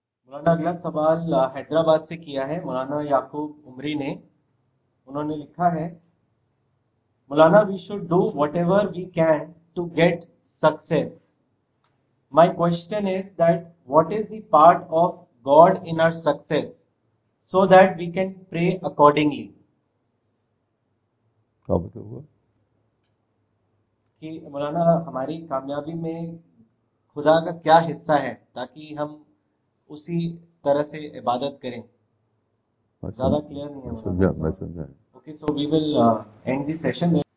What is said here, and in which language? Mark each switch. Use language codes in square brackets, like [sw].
[ur] مولانا اگلا سوال حیدرآباد سے کیا ہے مولانا یعقوب عمری نے. انہوں نے لکھا ہے, [en] مولانا we should do whatever we can to get success. My question is that what is the part of God in our success so that we can pray accordingly. [ur] مولانا ہماری کامیابی میں خدا کا کیا حصہ ہے تاکہ ہم اسی طرح سے عبادت کریں. زیادہ کلیئر نہیں ہے. میں سمجھا. [en] Okay, so we will end the session.